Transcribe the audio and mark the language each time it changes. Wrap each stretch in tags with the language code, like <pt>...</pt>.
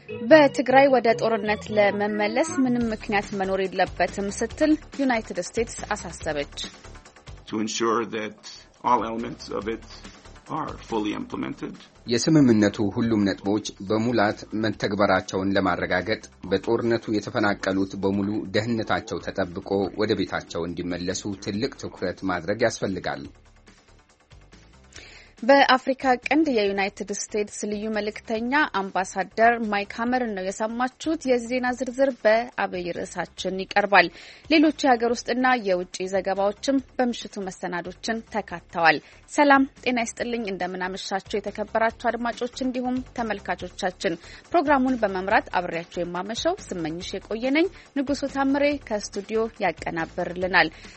<am>በትግራይ ወደ ጦርነት ለመመለስ ምንም ምክንያት መኖር የለበትም ስትል ዩናይትድ ስቴትስ አሳሰበች።</am> <en>To ensure that all elements of it are fully implemented.</en> <am>የስምምነቱ ሁሉም ነጥቦች በሙላት መተግበራቸውን ለማረጋገጥ በጦርነቱ የተፈናቀሉት በሙሉ ደህንነታቸው ተጠብቆ ወደ ቤታቸው እንዲመለሱ ትልቅ ትኩረት ማድረግ ያስፈልጋል። በአፍሪካ ቀንድ የዩናይትድ ስቴትስ ልዩ መልእክተኛ አምባሳደር ማይክ ሃመር ነው የሰማችሁት። የዜና ዝርዝር በአብይ ርዕሳችን ይቀርባል። ሌሎች የሀገር ውስጥና የውጭ ዘገባዎችም በምሽቱ መሰናዶችን ተካተዋል። ሰላም ጤና ይስጥልኝ፣ እንደምናመሻችሁ የተከበራችሁ አድማጮች እንዲሁም ተመልካቾቻችን። ፕሮግራሙን በመምራት አብሬያችሁ የማመሸው ስመኝሽ የቆየነኝ። ንጉሱ ታምሬ ከስቱዲዮ ያቀናብርልናል።</am>